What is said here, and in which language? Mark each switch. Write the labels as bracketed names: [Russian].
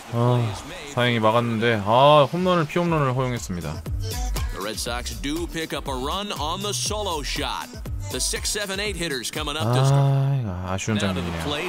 [Korean] 아, 다행히 막았는데, 아, 홈런을 피홈런을 허용했습니다. [English] The Red Sox do pick up a run on the solo shot. The 6-7-8 hitters coming up. [Korean] 아, 이거 아쉬운 장면이네요.